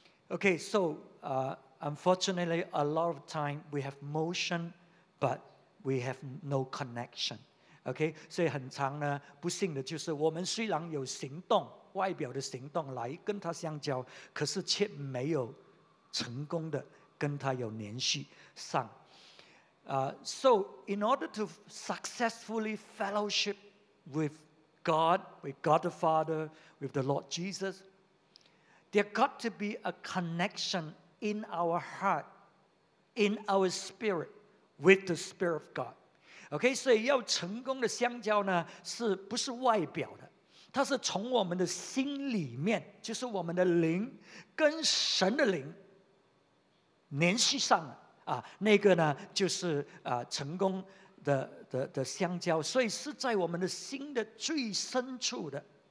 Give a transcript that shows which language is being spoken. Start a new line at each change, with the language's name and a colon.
English: Okay, so unfortunately, a lot of time we have motion, but we have no connection.
Chinese: Okay, 所以很长呢，不幸的就是我们虽然有行动，外表的行动来跟他相交，可是却没有成功的跟他有联系上。
English: So in order to successfully fellowship with God, with God the Father, with the Lord Jesus, there got to be a connection in our heart, in our spirit, with the Spirit of God.
Chinese: Okay, 所以要成功的相交呢，是不是外表的？它是从我们的心里面，就是我们的灵跟神的灵联系上了啊，那个呢就是成功的相交。所以是在我们的心的最深处的。